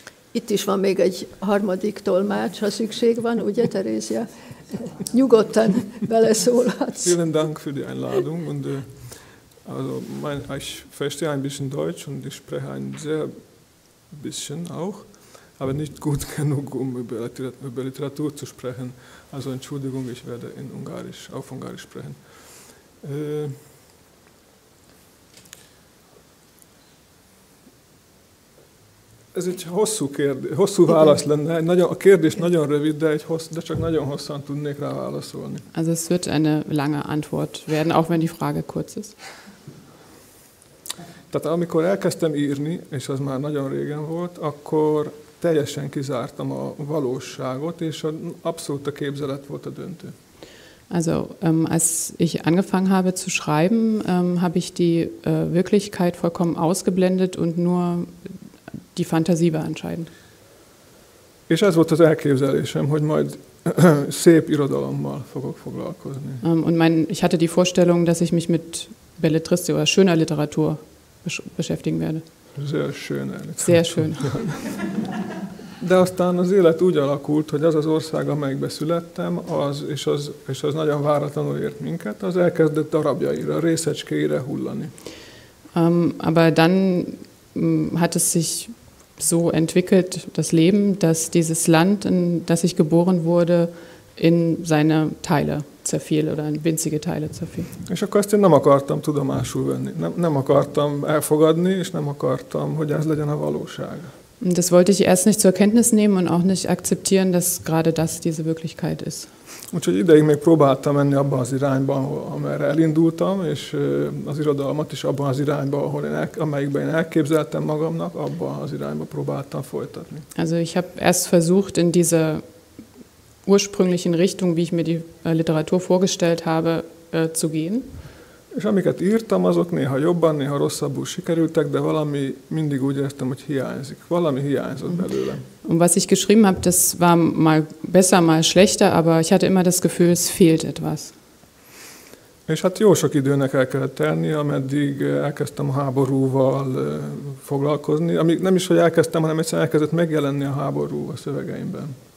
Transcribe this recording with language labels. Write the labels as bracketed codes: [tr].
[hu] Itt is van még egy harmadik tolmács, ha szükség van, ugye, Terézia? Nyugodtan beleszólhatsz. [de] Vielen Dank für die Einladung. Und, also ich verstehe ein bisschen Deutsch und ich spreche ein sehr bisschen auch, aber nicht gut genug, um über Literatur zu sprechen. Also Entschuldigung, ich werde in Ungarisch, auf Ungarisch sprechen. [hu] Ez egy hosszú válasz lenne. A kérdés nagyon rövid, de csak nagyon hosszan tudnék rá válaszolni. [de] Also es wird eine lange Antwort werden, auch wenn die Frage kurz ist. [hu] Tehát amikor elkezdtem írni, és az már nagyon régen volt, akkor teljesen kizártam a valóságot, és abszolút a képzelet volt a döntő. [de] Also als ich angefangen habe zu schreiben, habe ich die Wirklichkeit vollkommen ausgeblendet und nur die Fantasie war entscheidend. [hu] És ez volt az elképzelésem, hogy majd szép irodalommal fogok foglalkozni. [de] Ich hatte die Vorstellung, dass ich mich mit Belletristik oder schöner Literatur beschäftigen werde. Sehr schön. Literatur. Sehr schön. [hu] De aztán az élet úgy alakult, hogy az az ország, amelyikbe születtem, és az nagyon váratlanul ért minket, az elkezdett darabjaira, részecskéire hullani. [de] Aber dann hat es sich so entwickelt, das Leben, dass dieses Land, in das ich geboren wurde, in seine Teile zerfiel oder in winzige Teile zerfiel. [hu] És akkor ezt én nem akartam tudomásul venni, nem akartam elfogadni, és nem akartam, hogy ez legyen a valóság. [de] Das wollte ich erst nicht zur Kenntnis nehmen und auch nicht akzeptieren, dass gerade das diese Wirklichkeit ist. [hu] Úgyhogy ideig még próbáltam menni abban az irányban, amerre elindultam, és az irodalmat is abban az irányban, amelyikben én elképzeltem magamnak, abban az irányban próbáltam folytatni. [de] Also ich habe erst versucht, in dieser ursprünglichen Richtung, wie ich mir die Literatur vorgestellt habe, zu gehen. [hu] És amiket írtam, azok néha jobban, néha rosszabbul sikerültek, de valami mindig úgy értem, hogy hiányzik. Valami hiányzott belőle. [de] Und was ich geschrieben habe, das war mal besser, mal schlechter, aber ich hatte immer das Gefühl, es fehlt etwas. [hu] És hát jó sok időnek el kellett tenni, ameddig elkezdtem a háborúval foglalkozni, amíg nem is, hogy elkezdtem, hanem egyszerűen elkezdett megjelenni a háború a szövegeimben.